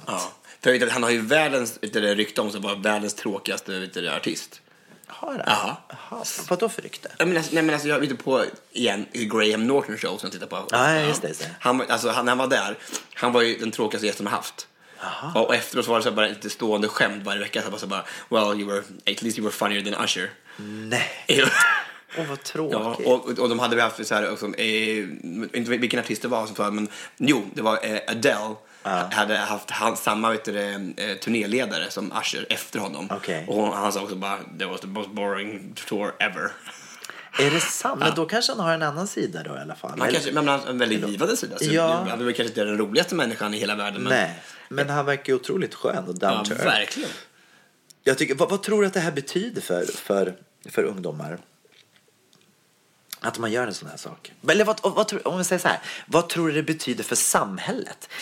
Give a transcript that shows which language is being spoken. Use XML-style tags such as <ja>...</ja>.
<sv>Ja. För vet du, han har ju världens, vet du, rykte om sig vara världens tråkigaste, vet du, artist. Har han? Jaha. Vad då för rykte? Nej men alltså jag vet på igen Graham Norton show som jag tittar på. Just det. Han var där. Han var ju den tråkigaste gästen han haft. Aha. Och efteråt var det så bara</sv> <en>ett stående skämt varje vecka, så bara well you were at least you were funnier than Usher.</en> <sv>Nej. Och vad tråkigt. Ja, och de hade haft så här också, inte vilken artist det var som för, men jo, det var Adele. Hade haft samma turnéledare som Usher efter honom. Okay. Och han sa också bara</sv> <en>that was the most boring tour ever.</en> <sv>Är det sant? Men då kanske han har en annan sida då i alla fall. En väldigt givande sida. Ja. Han var kanske inte den roligaste människan i hela världen. Men han verkar ju otroligt skön och down to earth. Ja, verkligen. Jag tycker, vad tror du att det här betyder för ungdomar? Att man gör en sån här sak. Eller vad tror, om vi säger så här. Vad tror du det betyder för samhället?</sv>